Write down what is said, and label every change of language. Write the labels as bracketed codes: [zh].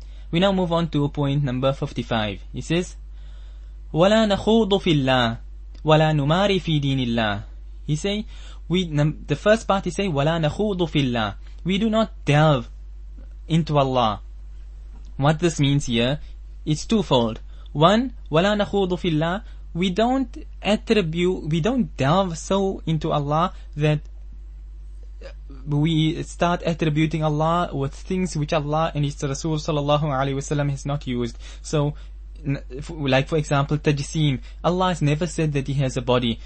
[en] We now move on to point number 55. He says, [ar] وَلَا نَخُوضُ فِي اللَّهِ وَلَا نُمَارِ فِي دِينِ اللَّهِ. [en] He say, the first part he say, [ar] وَلَا نَخُوضُ فِي اللَّهِ. [en] We do not delve into Allah. What this means here, it's twofold. [ar] One, وَلَا نَخُوضُ فِي اللَّهِ. [en] We don't delve so into Allah that we start attributing Allah with things which Allah and His Rasul sallallahu alaihi wasallam has not used. So, like for example, tajseem. Allah has never said that He has a body.